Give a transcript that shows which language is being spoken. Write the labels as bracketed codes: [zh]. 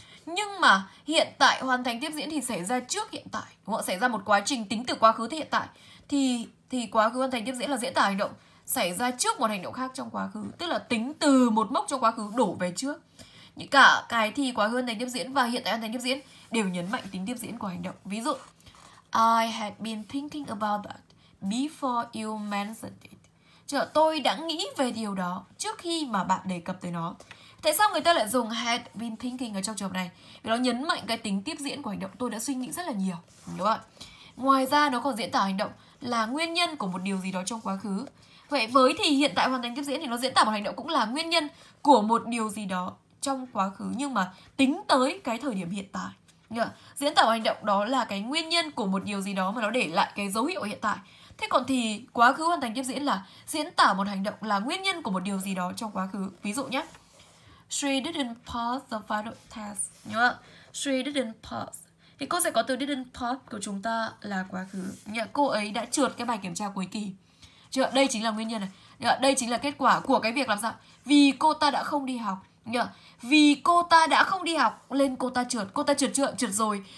[vi] Nhưng mà hiện tại hoàn thành tiếp diễn thì xảy ra trước hiện tại, đúng không? Xảy ra một quá trình tính từ quá khứ tới hiện tại. Thì quá khứ hoàn thành tiếp diễn là diễn tả hành động xảy ra trước một hành động khác trong quá khứ, tức là tính từ một mốc trong quá khứ đổ về trước. Những cả cái thì quá khứ hoàn thành tiếp diễn và hiện tại hoàn thành tiếp diễn đều nhấn mạnh tính tiếp diễn của hành động. Ví dụ, [en] I had been thinking about that before you mentioned it. [vi] Chứ là tôi đã nghĩ về điều đó trước khi mà bạn đề cập tới nó. Tại sao người ta lại dùng had been thinking ở trong trường hợp này? Vì nó nhấn mạnh cái tính tiếp diễn của hành động, tôi đã suy nghĩ rất là nhiều, đúng không? Ngoài ra nó còn diễn tả hành động là nguyên nhân của một điều gì đó trong quá khứ. Vậy với thì hiện tại hoàn thành tiếp diễn thì nó diễn tả một hành động cũng là nguyên nhân của một điều gì đó trong quá khứ, nhưng mà tính tới cái thời điểm hiện tại. Diễn tả hành động đó là cái nguyên nhân của một điều gì đó mà nó để lại cái dấu hiệu hiện tại. Thế còn thì quá khứ hoàn thành tiếp diễn là diễn tả một hành động là nguyên nhân của một điều gì đó trong quá khứ. Ví dụ nhé, [en] She didn't pass the final test. She didn't pass. [vi] Thì cô sẽ có từ didn't pass của chúng ta là quá khứ. Cô ấy đã trượt cái bài kiểm tra cuối kỳ. Đây chính là nguyên nhân này. Đây chính là kết quả của cái việc làm sao? Vì cô ta đã không đi học. Vì cô ta đã không đi học nên cô ta trượt rồi.